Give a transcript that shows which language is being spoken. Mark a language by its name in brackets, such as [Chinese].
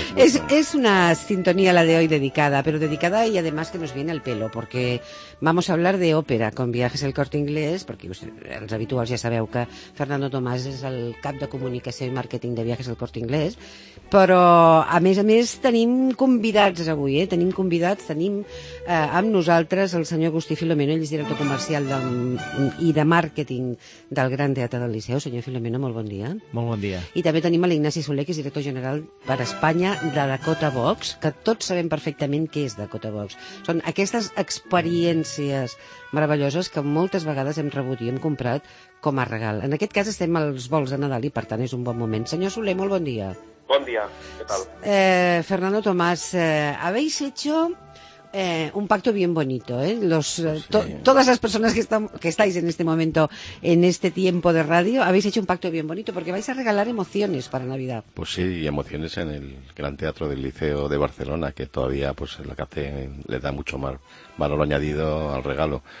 [Spanish] Es una sintonía la de hoy dedicada, pero dedicada y además que nos viene al pelo, porque vamos a hablar de ópera con Viajes al Corte Inglés, porque usted, los habituales ya sabe que Fernando Tomás es el cap de comunicación y marketing de Viajes al Corte Inglés, [Catalan] però a més tenim convidats avui, eh? Tenim convidats, tenim amb nosaltres el senyor Agustí Filomeno, ell és director comercial i de màrqueting del Gran Teatre del Liceu. Senyor Filomeno, molt bon dia. Molt bon dia. I també tenim l'Ignasi Soler, que és director general per Espanya de Dakota Box, que tots sabem perfectament què és Dakota Box. Són aquestes experiències meravelloses que moltes vegades hem rebut i hem comprat com a regal. En aquest cas estem als vols de Nadal i per tant és un bon moment. Senyor Soler, molt bon dia. Bon dia, què tal? [Spanish] Fernando Tomás, habéis hecho un pacto bien bonito, ¿eh? Todas las personas que estáis en este momento, en este tiempo de radio, habéis hecho un pacto bien bonito porque vais a regalar emociones para Navidad. Pues sí, y emociones en el Gran Teatro del Liceo de Barcelona, que todavía pues la café le da mucho más valor añadido al regalo.